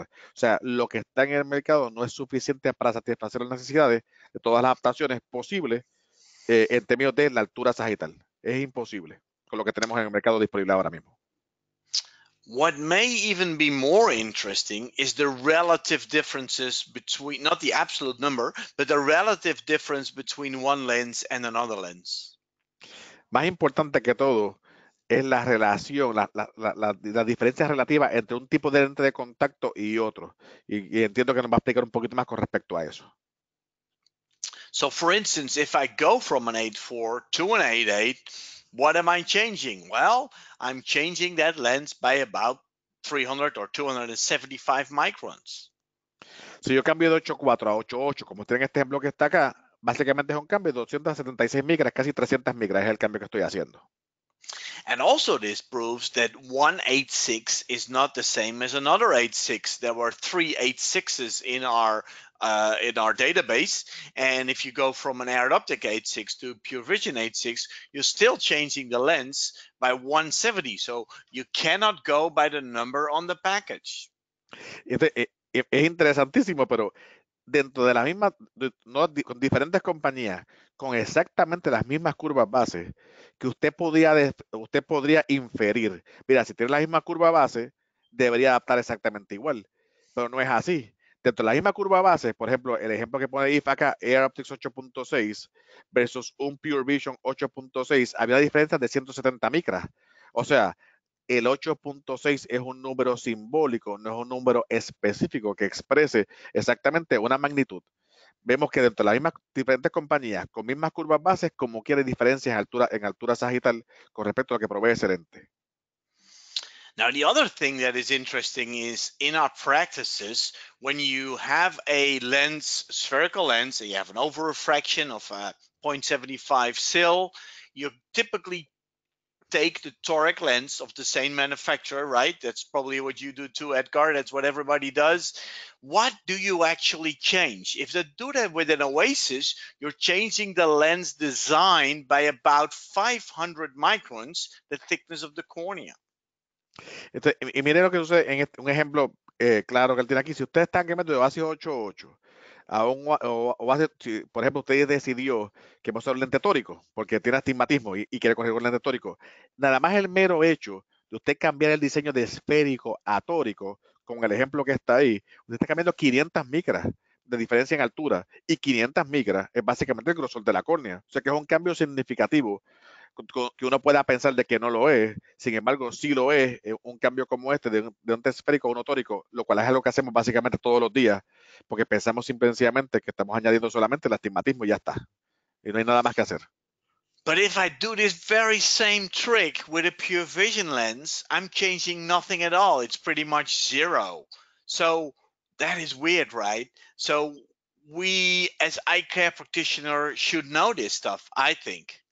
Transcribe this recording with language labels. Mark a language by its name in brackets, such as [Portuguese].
[Spanish] O sea, lo que está en el mercado no es suficiente para satisfacer las necesidades de todas las adaptaciones posibles en términos de la altura sagital. Es imposible con lo que tenemos en el mercado disponible ahora mismo. [English] What may even be more interesting is the relative differences between, not the absolute number, but the relative difference between one lens and another lens. [Spanish] Más importante que todo es la relación, la diferencia relativa entre un tipo de lente de contacto y otro. Y entiendo que nos va a explicar un poquito más con respecto a eso. [English] So, for instance, if I go from an 8.4 to an 8.8, what am I changing? Well, I'm changing that lens by about 300 or 275 microns. [Spanish] Si yo cambio de 8.4 a 8.8, como tienen este ejemplo que está acá, básicamente es un cambio de 276 micras, casi 300 micras es el cambio que estoy haciendo. [English] And also this proves that 1.86 is not the same as another 8.6. There were 3 8.6s in our in our database. And if you go from an aired optic 8.6 to pure vision 8.6, you're still changing the lens by 170. So you cannot go by the number on the package. [Spanish] Es interesantísimo, pero dentro de la misma, no, con diferentes compañías, con exactamente las mismas curvas base, que usted podría inferir. Mira, si tiene la misma curva base, debería adaptar exactamente igual, pero no es así. Dentro de la misma curva base, por ejemplo, el ejemplo que pone Eef acá, Air Optics 8.6 versus un Pure Vision 8.6, había una diferencia de 170 micras. O sea, el 8.6 es un número simbólico, no es un número específico que exprese exactamente una magnitud. Vemos que dentro de las mismas diferentes compañías, con mismas curvas bases, como quiere diferencias en altura sagital con respecto a lo que provee ese lente. [English] Now, the other thing that is interesting is in our practices, when you have a lens, spherical lens, and you have an over-refraction of a 0.75 sil, you typically take the toric lens of the same manufacturer, right? That's probably what you do too, Edgar. That's what everybody does. What do you actually change? If they do that with an Oasis, you're changing the lens design by about 500 microns, the thickness of the cornea. [Spanish] Y mire lo que sucede en este, un ejemplo claro que él tiene aquí. Si ustedes están en el método de base 8.8, por ejemplo, usted decidió que va a usar un lente tórico porque tiene astigmatismo y quiere coger un lente tórico. Nada más el mero hecho de usted cambiar el diseño de esférico a tórico, con el ejemplo que está ahí, usted está cambiando 500 micras de diferencia en altura, y 500 micras es básicamente el grosor de la córnea. O sea que es un cambio significativo que uno pueda pensar de que no lo es. Sin embargo, sí lo es, un cambio como este de un esférico a un tórico, lo cual es algo que hacemos básicamente todos los días, porque pensamos simplemente que estamos añadiendo solamente el astigmatismo y ya está. Y no hay nada más que hacer. [English] But if I do this very same trick with a pure vision lens, I'm changing nothing at all. It's pretty much zero. So that is weird, right? So we, as eye care practitioner, should know this stuff, I think.